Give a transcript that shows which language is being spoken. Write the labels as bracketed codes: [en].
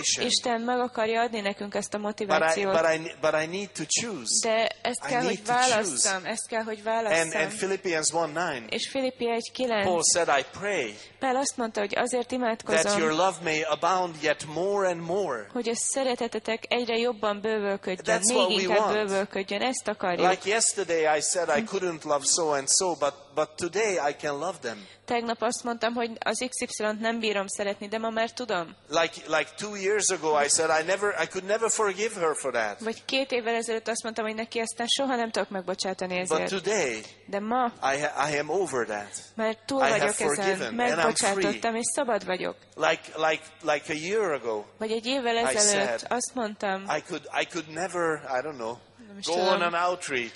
[hu] És Isten meg akarja adni nekünk ezt a motivációt. [en] But I need to choose. [hu] De ezt kell, hogy válasszam. Ezt kell, hogy válasszam. [en] And Philippians 1:9. [hu] És Filippi 1:9. [en] Paul said, I pray. [hu] Pál azt mondta, hogy azért imádkozom. [en] That your love may abound yet more and more. [hu] Hogy a szeretetetek egyre jobban bővölködjön, még inkább bővölködjön, ezt akarjuk. [en] Like yesterday I said I couldn't love so and so, but today I can love them. [hu] Tegnap azt mondtam, hogy az XY-t nem bírom szeretni, de ma már tudom. [en] Like 2 years ago I said I could never forgive her for that. [hu] Vagy 2 évvel ezelőtt azt mondtam, hogy neki aztán soha nem tudok megbocsátani ezért. [en] But today, [hu] de ma, [en] I am over that. [hu] Már túl vagyok ezen, megbocsátottam és szabad vagyok. [en] Like a year ago. [hu] Vagy 1 évvel ezelőtt azt mondtam. [en] I could never, I don't know. Go on an outreach.